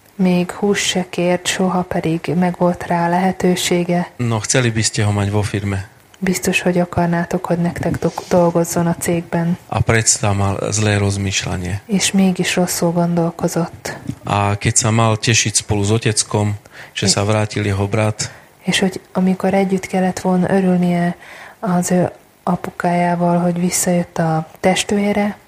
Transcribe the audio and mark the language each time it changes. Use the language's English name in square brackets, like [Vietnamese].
[Hungarian] Még hús se kért, soha, pedig meg volt rá lehetősége. [Slovak] No, chceli by ste ho mať vo firme. [Hungarian] Biztos, hogy akarnátok, hogy nektek dolgozzon a cégben. [Slovak] A predsa mal zlé rozmýšľanie. [Hungarian] És mégis rosszul gondolkozott. [Slovak] A keď sa mal tešiť spolu s oteckom, že sa vrátil jeho brat. [Hungarian] És hogy amikor együtt kellett volna örülnie az ő apukájával, hogy visszajött a testvére.